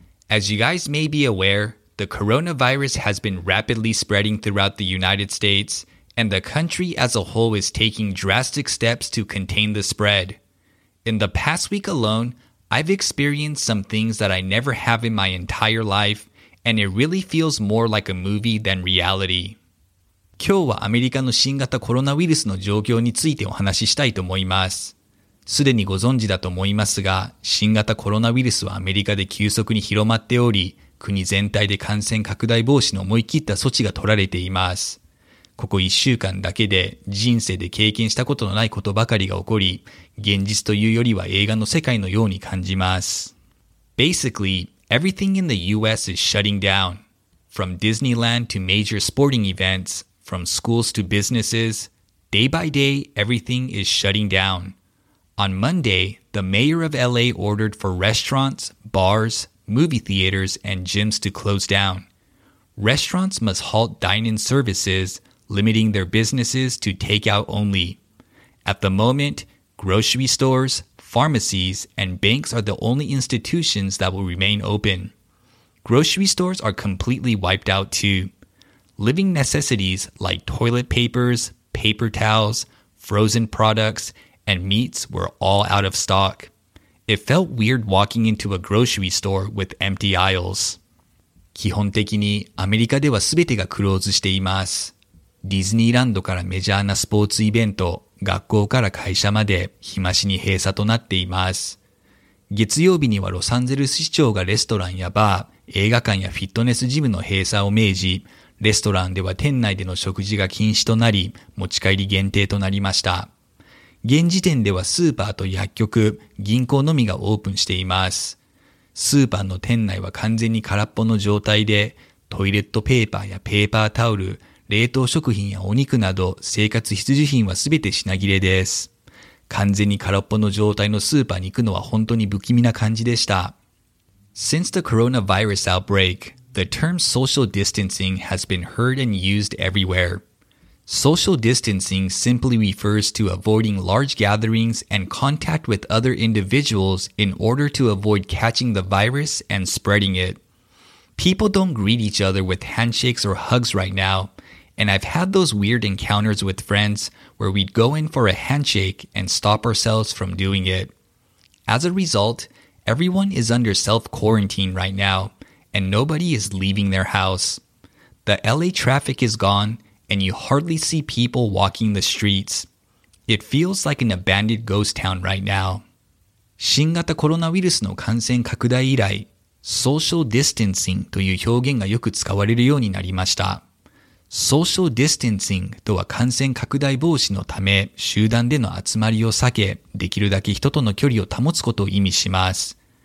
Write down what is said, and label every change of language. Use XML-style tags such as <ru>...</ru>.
<en>As you guys may be aware, the coronavirus has been rapidly spreading throughout the United States, and the country as a whole is taking drastic steps to contain the spread. In the past week alone, I've experienced some things that I never have in my entire life, and it really feels more like a movie than reality.</en> <ja>今日はアメリカの新型コロナウイルスの状況についてお話ししたいと思います。すでにご存知だと思いますが、新型コロナウイルスはアメリカで急速に広まっており、国全体で感染拡大防止の思い切った措置が取られています。ここ1週間だけで人生で経験したことのないことばかりが起こり、現実というよりは映画の世界のように感じます。</ja> <en>Basically, everything in the US is shutting down. From Disneyland to major sporting events, from schools to businesses, day by day, everything is shutting down. On Monday, the mayor of LA ordered for restaurants, bars,movie theaters and gyms to close down. Restaurants must halt dine-in services, limiting their businesses to takeout only. At the moment, grocery stores, pharmacies, and banks are the only institutions that will remain open. Grocery stores are completely wiped out too. Living necessities like toilet papers, paper towels, frozen products, and meats were all out of stock. It felt weird walking into a grocery store with empty aisles.</en> <ja>基本的にアメリカでは全てがクローズしています。ディズニーランドからメジャーなスポーツイベント、学校から会社まで日増しに閉鎖となっています。月曜日にはロサンゼルス市長がレストランやバー、映画館やフィットネスジムの閉鎖を命じ、レストランでは店内での食事が禁止となり、持ち帰り限定となりました。現時点ではスーパーと薬局、銀行のみがオープンしています。スーパーの店内は完全に空っぽの状態で、トイレットペーパーやペーパータオル、冷凍食品やお肉など生活必需品はすべて品切れです。完全に空っぽの状態のスーパーに行くのは本当に不気味な感じでした。</ja> <en>Since the coronavirus outbreak, the term social distancing has been heard and used everywhere. Social distancing simply refers to avoiding large gatherings and contact with other individuals in order to avoid catching the virus and spreading it. People don't greet each other with handshakes or hugs right now, and I've had those weird encounters with friends where we'd go in for a handshake and stop ourselves from doing it. As a result, everyone is under self-quarantine right now, and nobody is leaving their house. The LA traffic is gone,and you hardly see people walking the streets. It feels like an abandoned ghost town right now.</en> <ja>新型コロナウイルスの感染拡大以来、social distancing という表現がよく使われるようになりました。 social distancing とは感染拡大防止のため、集団での集まりを避け、できるだけ人との距離を保つことを意味します。</ja>